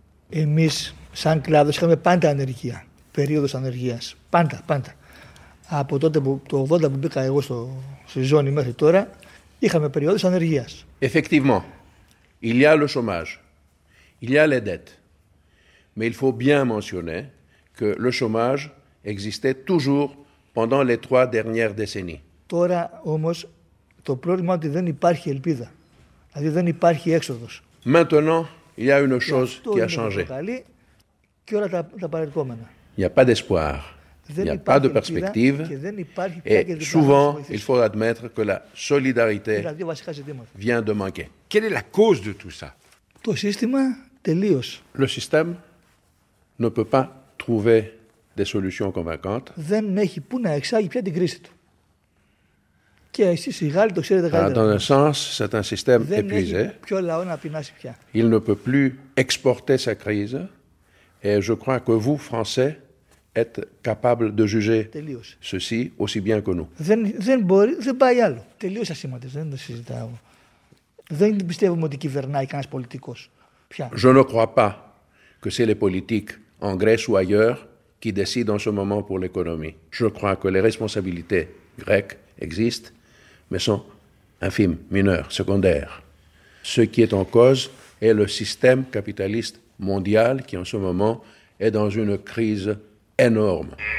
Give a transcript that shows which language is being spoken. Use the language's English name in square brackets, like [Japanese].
[Greek] Εμείς, σαν κλάδος, είχαμε πάντα ανεργία. περίοδος ανεργίας. Πάντα, πάντα. Από τότε που το 80 που μπήκα εγώ στη ζώνη μέχρι τώρα, είχαμε περίοδος ανεργίας. [French] Effectivement, il y a le chômage, il y a les dettes. Mais il faut bien mentionner que le chômage existait toujours pendant les trois dernières décennies. [Greek] Τώρα όμως το πρόβλημα ότι δεν υπάρχει ελπίδα. Δηλαδή δεν υπάρχει έξοδος. [French] Maintenant, il y a une chose qui a changé. [Greek] Και όλα τα παρελκόμενα. [French] Il n'y a pas d'espoir. Il n'y a pas de perspective. Et souvent, il faut admettre que la solidarité vient de manquer. Quelle est la cause de tout ça? [Greek] Το σύστημα τελείως. [French] Le système ne peut pas trouver des solutions convaincantes. [Greek] Δεν έχει που να εξάγει πια την κρίση του. Και εσείς οι Γάλλοι το ξέρετε καλύτερα. [French] Dans un sens, c'est un système épuisé. [Greek] Δεν έχει πιο λαό να πεινάσει πια. [French] Il ne peut plus exporter sa crise. Et je crois que vous, Français, êtes capable de juger [Greek] Τελείωσε. [French] Ceci aussi bien que nous. [Greek] Δεν μπορεί, δεν πάει άλλο. Τελείωσε ασήμαντες, δεν το συζητάω. Δεν πιστεύουμε ότι κυβερνάει κανένας πολιτικός. Πια. [French] Je ne crois pas que c'est les politiques en Grèce ou ailleurs qui décident en ce moment pour l'économie. Je crois que les responsabilités grecques existent, mais sont infimes, mineures, secondaires. Ce qui est en cause est le système capitaliste mondial qui, en ce moment, est dans une crise énorme.